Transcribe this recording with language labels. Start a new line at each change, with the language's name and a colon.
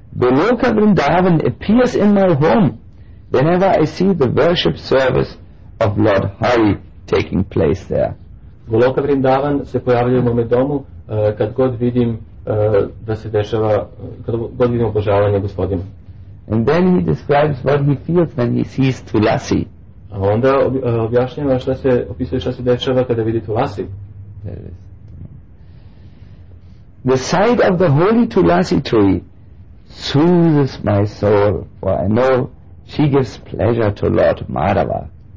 English: Goloka Vrindavan appears in my home whenever I see the worship service of Lord Hari taking place there.
Serbian: Goloka Vrindavan se pojavljuje u mome domu kad god vidim da se dešava, kad god vidim obožavanje gospodina.
English: And then he describes what he feels when he sees Tulasi.
Serbian: A onda objašnjava šta se opisuje, šta se dešava kada vidi Tulasi.
English: The sight of the holy Tulasi tree soothes my soul, for I know she gives pleasure to Lord Madhava.